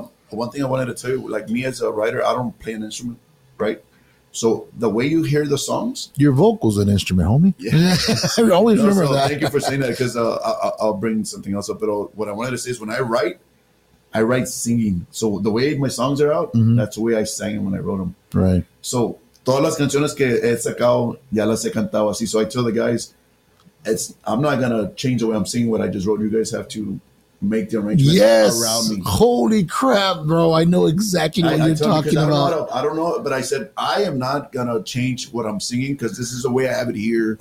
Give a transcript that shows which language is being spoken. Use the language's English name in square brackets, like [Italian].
[English] the one thing I wanted to tell you, like me as a writer, I don't play an instrument, right? So the way you hear the songs, your vocals an instrument, homie. Yeah. I always remember that. Thank you for saying that, because I'll bring something else up. But what I wanted to say is, when I write singing. So the way my songs are out, mm-hmm. that's the way I sang them when I wrote them. Right. [Spanish] So todas las canciones que he sacado ya las he cantado así. [English] So I tell the guys, I'm not gonna change the way I'm singing what I just wrote. You guys have to make the arrangement yes. around me. Holy crap, bro. I know exactly what you're talking about. I don't know, but I said, I am not going to change what I'm singing, because this is the way I have it here.